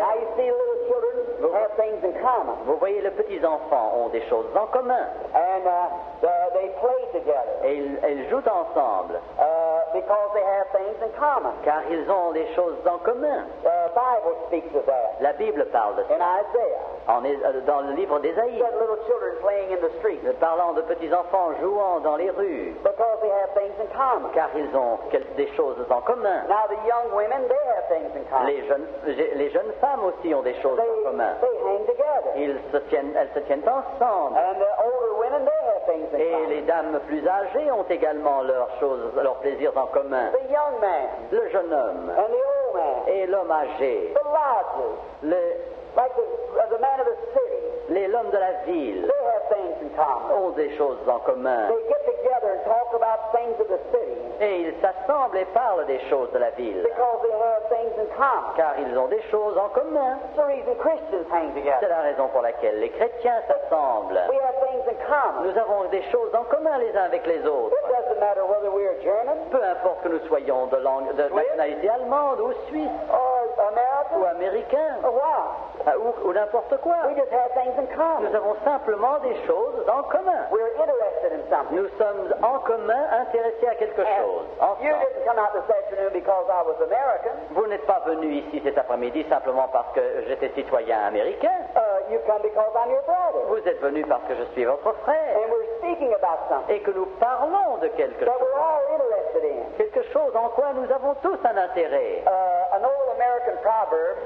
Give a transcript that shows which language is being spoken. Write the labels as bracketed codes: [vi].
[en] Now you see little children have things in common. [fr] Vous voyez, les petits enfants ont des choses en commun. [en] And they play together. [fr] Et ils jouent ensemble. [en] Because they have things in common. [fr] Car ils ont des choses en commun. [en] The Bible speaks of that. [fr] La Bible parle de ça. [en] In Isaiah. [fr] Dans le livre d'Ésaïe. [en] That little children playing in the street. [fr] Parlant de petits enfants jouant dans les rues. [en] Because they have things in common. [fr] Car ils ont des choses en commun. [en] Now the young women, they have things in common. [fr] Les jeunes femmes aussi ont des choses en commun. [en] They hang together. [fr] Elles se tiennent ensemble. [en] And the older women, they have things in common. [fr] Et les dames plus âgées ont également leurs choses, leurs plaisirs en commun. [en] The young man. [fr] Le jeune homme. [en] And the old man. [fr] Et l'homme âgé. [en] The lodges. The man of the city. [fr] L'homme de la ville. [en] They have things in common. [fr] Ont des choses en commun. [en] They get together and talk about things of the city. [fr] Et ils s'assemblent et parlent des choses de la ville. [en] Because they have things in common. [fr] Car ils ont des choses en commun. [en] It's the reason Christians hang together. [fr] C'est la raison pour laquelle les chrétiens s'assemblent. [en] We have things in common. [fr] Nous avons des choses en commun les uns avec les autres. [en] It doesn't matter whether we are German. [fr] Peu importe que nous soyons de langue, de nationalité allemande ou suisse. [en] American. [fr] Ou américain. Ou n'importe quoi. [en] We just have things in common. [fr] Nous avons simplement des choses en commun. [en] We're interested in something. [fr] Nous sommes en commun intéressés à quelque chose. [en] You didn't come out this afternoon because I was American. [fr] Vous n'êtes pas venu ici cet après-midi simplement parce que j'étais citoyen américain. [en] You come because I'm your brother. [fr] Vous êtes venu parce que je suis votre frère. [en] And we're speaking about something. [fr] Et que nous parlons de quelque [en] that [fr] chose. [en] We're all interested in. [fr] Quelque chose en quoi nous avons tous un intérêt. [en] An old American proverb.